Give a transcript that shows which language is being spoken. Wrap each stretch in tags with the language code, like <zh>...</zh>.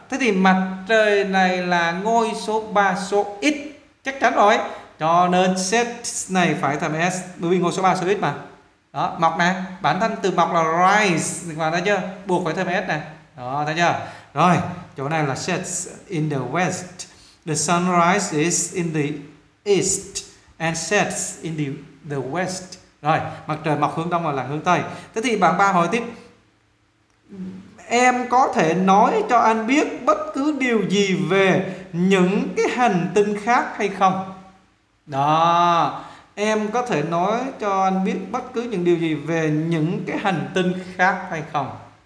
<vi>Thế thì mặt trời này là ngôi số 3, số ít, chắc chắn rồi. Cho nên set này phải thành S, bởi vì ngôi số 3, số ít mà. Đó, mọc nè, bản thân từ mọc là rise, các bạn thấy chưa? Buộc phải thành S nè. Đó, thấy chưa? Rồi, chỗ này là</vi> <en>set in the west. The sunrise is in the east and sets in the west.</en> <vi>Rồi, mặt trời mọc hướng đông và lặn hướng tây. Thế thì bạn ba hỏi tiếp, em có thể nói cho anh biết bất cứ điều gì về những cái hành tinh khác hay không? Đó, em có thể nói cho anh biết bất cứ những điều gì về những cái hành tinh khác hay không?</vi>